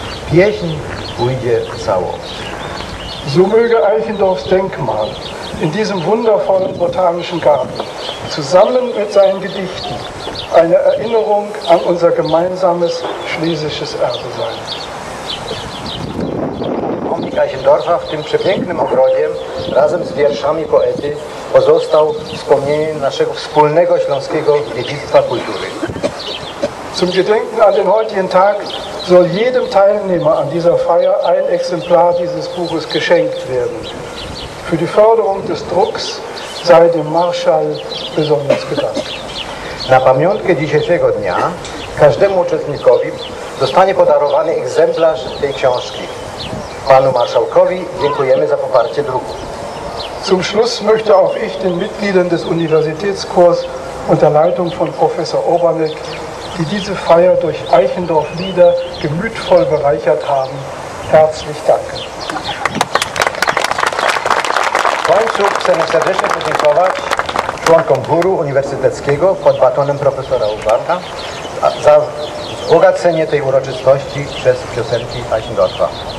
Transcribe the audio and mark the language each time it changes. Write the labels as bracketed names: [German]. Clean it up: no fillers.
[Polish] Pieśń pójdzie cało. [German] So möge Eichendorffs Denkmal in diesem wundervollen botanischen Garten zusammen mit seinen Gedichten eine Erinnerung an unser gemeinsames schlesisches Erbe sein. [Polish] Pomnik Eichendorffa w tym przepięknym ogrodzie razem z wierszami poety pozostał wspomnieniem naszego wspólnego śląskiego dziedzictwa kultury. [German] Zum Gedenken an den heutigen Tag soll jedem Teilnehmer an dieser Feier ein Exemplar dieses Buches geschenkt werden. Für die Förderung des Drucks sei dem Marschall besonders gedankt. [Polish] Na pamiątkę dzisiejszego dnia każdemu uczestnikowi zostanie podarowany egzemplarz tej książki. Panu marszałkowi dziękujemy za poparcie druku. [German] Zum Schluss möchte auch ich den Mitgliedern des Universitätschors unter Leitung von Professor Obanek, die diese Feier durch Eichendorff-Lieder gemütvoll bereichert haben, herzlich danken. [Polish] Kończył serdecznie podziękować członkom chóru uniwersyteckiego pod batonem profesora Obanka za wzbogacenie tej uroczystości przez piosenki Eichendorffa.